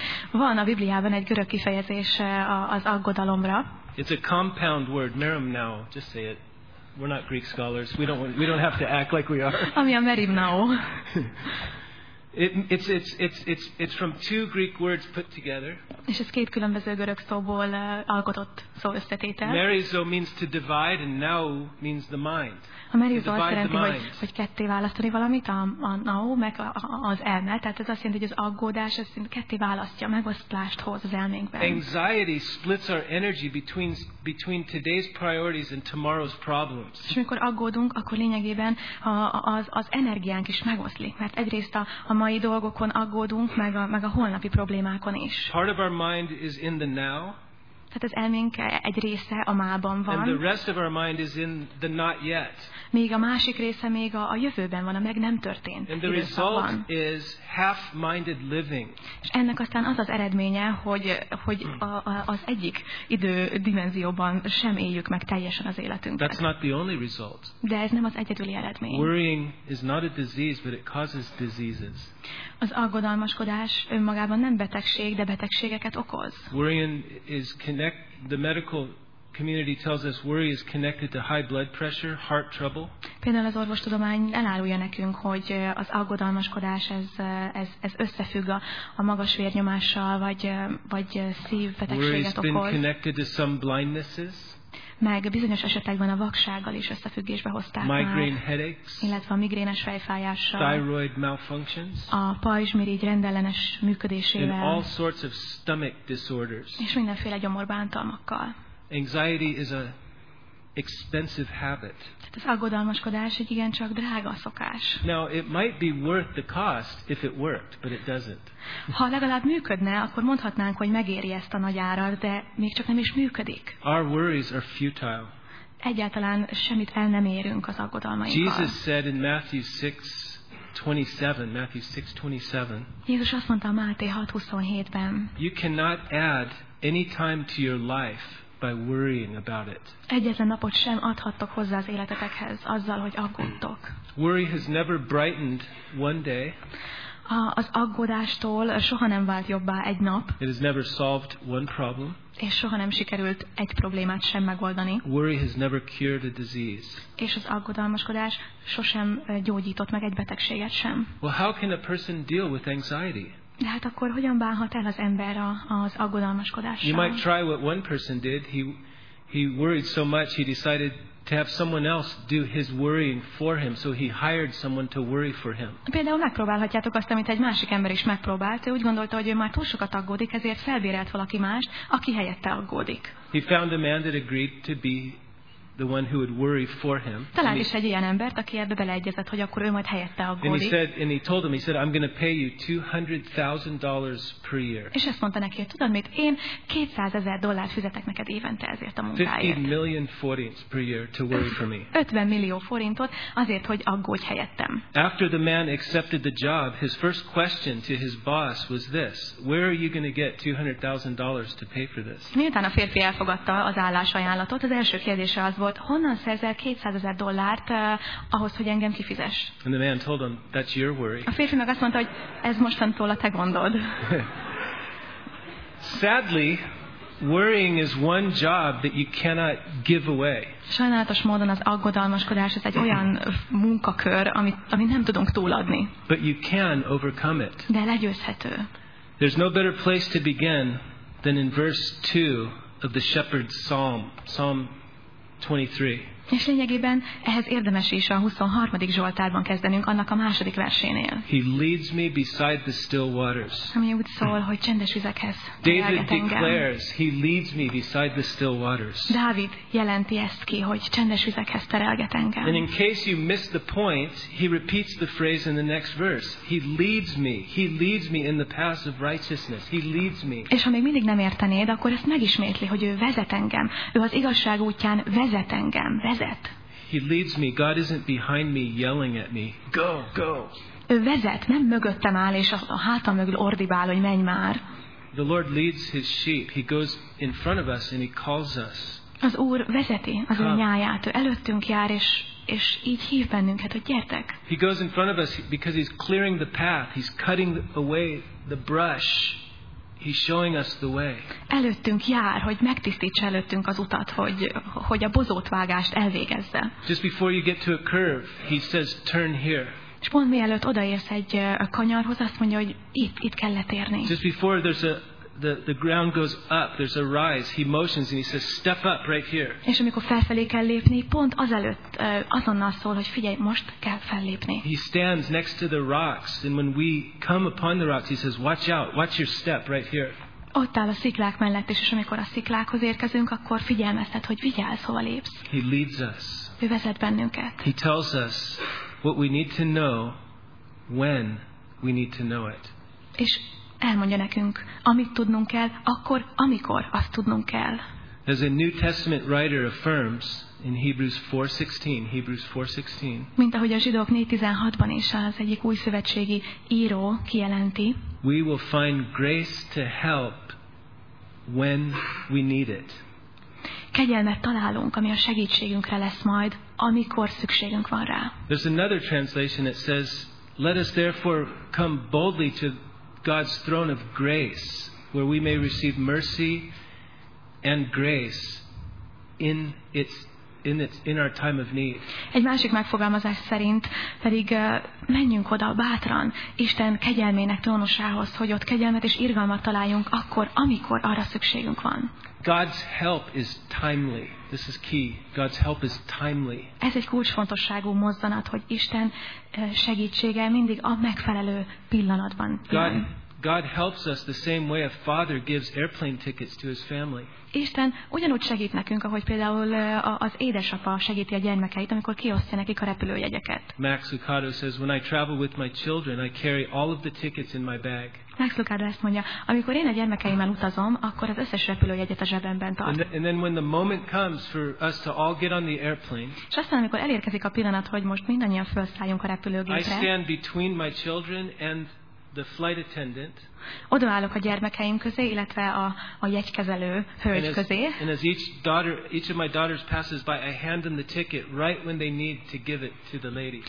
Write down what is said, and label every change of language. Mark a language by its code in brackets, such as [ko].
[hu] Van a Bibliában egy görög kifejezés az aggodalomra. [en] It's a compound word, merimnao, just say it. We're not Greek scholars, we don't have to act like we are. [hu] Ami a merimnao. [en] It's from two Greek words put together. [hu] És ez két különböző görög szóból alkotott szó összetétel. [en] Merizo means to divide and nao means the mind. [hu] A merizo azt jelenti, hogy ketté választani valamit, a nao meg az elme. Tehát ez azt jelenti, hogy az aggódás ez ketté választja, megosztást hoz az elménkben. [en] Anxiety splits our energy between today's priorities and tomorrow's problems. [hu] És amikor aggódunk, akkor lényegében az energiánk is megoszlik, mert egyrészt a mai dolgokon aggódunk, meg a holnapi problémákon is. [en] Part of our mind is in the now. [hu] Tehát az elménk egy része a mában van. [en] And the rest of our mind is in the not yet. [hu] Még a másik része még a jövőben van, a meg nem történt. [en] And the result is half-minded living. [hu] És ennek aztán az az eredménye, hogy az egyik idődimenzióban sem éljük meg teljesen az életünket. [en] That's not the only result. [hu] De ez nem az egyedüli eredmény. [en] Worrying is not a disease, but it causes diseases. [hu] Az aggodalmaskodás önmagában nem betegség, de betegségeket okoz. [en] Worrying is the medical community tells us worry is connected to high blood pressure, heart trouble. [hu] Például az orvostudomány elárulja nekünk, hogy az aggodalmaskodás ez összefügg a magas vérnyomással vagy szívbetegséget [en] worry [hu] okoz. [en] Worry has been connected to some blindnesses. [hu] Meg bizonyos esetekben a vaksággal is összefüggésbe hozták [en] migraine [hu] már, [en] headaches, [hu] illetve a migrénes fejfájással, [en] thyroid malfunctions, [hu] a pajzsmirigy rendellenes működésével, [en] and all sorts of stomach disorders. [hu] És mindenféle gyomorbántalmakkal. [en] Anxiety is a expensive habit. [hu] Tehát az aggodalmaskodás egy igencsak drága szokás. [en] Now it might be worth the cost if it worked, but it doesn't. [hu] Ha legalább működne, akkor mondhatnánk, hogy megéri ezt a nagy árat, de még csak nem is működik. [en] Our worries are futile. [hu] Egyáltalán semmit el nem érünk az aggodalmainkkal. [en] Jesus said in Matthew 6:27. [hu] Jézus azt mondta a Máté 6:27-ben. [en] You cannot add any time to your life by worrying about it. [hu] Egyetlen napot sem adhattok hozzá az életetekhez azzal, hogy aggódtok. [en] Worry has never brightened one day. [hu] az aggodástól soha nem vált jobbá egy nap. [en] It has never solved one problem. [hu] És soha nem sikerült egy problémát sem megoldani. [en] Worry has never cured a disease. [hu] És az aggodalmaskodás sosem gyógyított meg egy betegséget sem. [en] Well, how can a person deal with anxiety? [hu] De hát akkor hogyan bánhat el az ember az aggodalmaskodással? [en] You might try what one person did. He worried so much he decided to have someone else do his worrying for him, so he hired someone to worry for him. [hu] Például megpróbálhatjátok azt, amit egy másik ember is megpróbált. Ő úgy gondolta, hogy ő már túl sokat aggódik, ezért felbérelt valaki mást, aki helyette aggódik. [en] He found a man that agreed to be the one who would worry for him. [hu] Talált is egy ilyen embert, aki ebbe beleegyezett, hogy akkor ő majd helyette aggódik. [en] And he told him, I'm going to pay you $200,000 per year. [hu] És ezt mondta neki, tudod mit, én 200,000 dollárt fizetek neked évente ezért a munkáért. [en] 50 million forints per year to worry for me. [hu] 50 millió forintot azért, hogy aggódj helyettem. [en] After the man accepted the job, his first question to his boss was this: where are you going to get $200,000 to pay for this? [hu] Miután a férfi elfogadta az állásajánlatot, az első kérdése az volt, honnan szerzel 200,000 dollárt ahhoz, hogy engem kifizess? [en] And the man told him, that's your worry. [hu] A férfi meg azt mondta, hogy ez mostantól a te gondod. [en] Sadly, worrying is one job that you cannot give away. [hu] Sajnálatos módon az aggodalmaskodás ez egy olyan munkakör, amit nem tudunk túladni. [en] But you can overcome it. [hu] De legyőzhető. [en] There's no better place to begin than in verse 2 of the shepherd's psalm 23. [hu] És lényegében ehhez érdemes is a 23. Zsoltárban kezdenünk, annak a második versénél. [en] He leads me beside the still waters. [hu] Ami úgy szól, hogy csendes vizekhez terelget engem. [en] David declares, he leads me beside the still waters. [hu] Dávid jelenti ezt ki, hogy csendes vizekhez terelget engem. [en] And in case you missed the point, he repeats the phrase in the next verse. He leads me in the paths of righteousness. He leads me. [hu] És ha még mindig nem értenéd, akkor ezt megismétli, hogy ő vezet engem. Ő az igazság útján vezet engem. Vezet. [en] He leads me. God isn't behind me yelling at me. Go, go. [hu] Ő vezet, nem mögöttem áll és a hátam mögül ordibál, hogy menj már. [en] The Lord leads his sheep. He goes in front of us and he calls us. [hu] Az Úr vezeti az ő nyáját. Ő előttünk jár és így hív bennünket, hogy gyertek. [en] He goes in front of us because he's clearing the path. He's cutting away the brush. He's showing us the way. [hu] Előttünk jár, hogy megtisztítsa előttünk az utat, hogy a bozótvágást elvégezze. [en] Just before you get to a curve, he says, turn here. [hu] És pont mielőtt odaérsz egy kanyarhoz, azt mondja, hogy itt kellett érni. [en] Just before the ground goes up, there's a rise, he motions and he says, step up right here. [hu] És amikor felfelé kell lépni, pont azelőtt azonnal szól, hogy figyelj, most kell fellépni. [en] He stands next to the rocks, and when we come upon the rocks, he says, watch out, watch your step right here. [hu] Ott áll a sziklák mellett, és amikor a sziklákhoz érkezünk, akkor figyelmeztet, hogy vigyázz, hova lépsz. [en] He leads us. [hu] Ő vezet bennünket. [en] He tells us what we need to know when we need to know it. [hu] És elmondja nekünk, amit tudnunk kell, akkor, amikor azt tudnunk kell. [en] As a New Testament writer affirms in Hebrews 4:16. [hu] Mint ahogy a zsidók 4:16-ban is az egyik új szövetségi író kijelenti. [en] We will find grace to help when we need it. [hu] Kegyelmet találunk, ami a segítségünkre lesz majd, amikor szükségünk van rá. [en] There's another translation that says, let us therefore come boldly to God's throne of grace, where we may receive mercy and grace in our time of need. [hu] Egy másik megfogalmazás szerint pedig menjünk oda bátran Isten kegyelmének trónusához, hogy ott kegyelmet és irgalmat találjunk akkor, amikor arra szükségünk van. [en] God's help is timely. This is key. God's help is timely. [hu] Ez egy kulcsfontosságú mozzanat, hogy Isten segítsége mindig a megfelelő pillanatban. [en] God helps us the same way a father gives airplane tickets to his family. [hu] Isten ugyanúgy segít nekünk, ahogy például az édesapa segíti a gyermekeit, amikor kiosztja nekik a repülőjegyeket. [en] Max Lucado says, when I travel with my children, I carry all of the tickets in my bag. [hu] Max Lucado ezt mondja, amikor én a gyermekeimmel utazom, akkor az összes repülőjegyet a zsebemben tart. [en] And then when the moment comes for us to all get on the airplane, [hu] és aztán, amikor elérkezik a pillanat, hogy most mindannyian felszálljunk a repülőgépre, [en] I stand between my children and the flight attendant. [hu] odaállok a gyermekeim közé, illetve a jegykezelő hölgy közé. [en] And as each daughter, each of my daughters passes by, I hand them the ticket right when they need to give it to the lady.